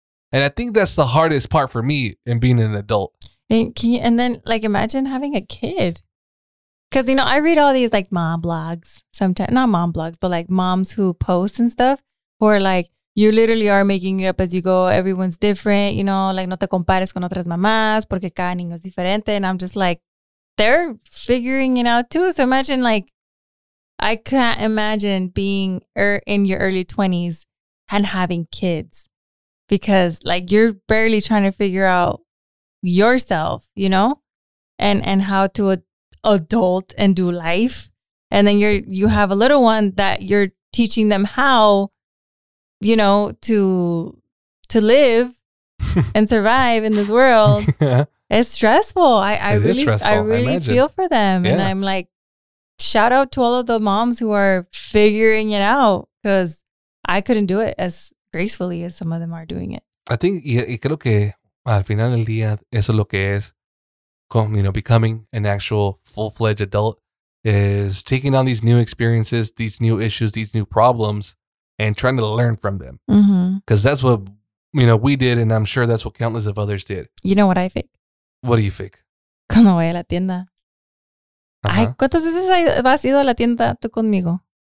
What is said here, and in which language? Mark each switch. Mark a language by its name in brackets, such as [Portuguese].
[English] And I think that's the hardest part for me in being an adult. And then, like, imagine having a kid. Because, you know, I read all these, like, mom blogs sometimes. Not mom blogs, but, like, moms who post and stuff. Who are, like, you literally are making it up as you go. Everyone's different, you know. [Spanish] Like, no te compares con otras mamás porque cada niño es diferente. [English] And I'm just, like, they're figuring it out, too. So imagine, like, I can't imagine being in your early 20s and having kids. Because, like, you're barely trying to figure out yourself, you know, and how to adult and do life. And then you have a little one that you're teaching them how, you know, to live and survive in this world. Yeah. It's stressful. I really feel for them. Yeah. And I'm like, shout out to all of the moms who are figuring it out, because I couldn't do it as gracefully as some of them are doing it. I think, y creo que al final del día, eso es lo que es, con, you know, becoming an actual full-fledged adult, is taking on these new experiences, these new issues, these new problems, and trying to learn from them. Because that's what, you know, we did, and I'm sure that's what countless of others did. You know what I think? What do you think? [Spanish] Cuando voy a la tienda. Ay, ¿cuántas veces has ido a la tienda tú conmigo?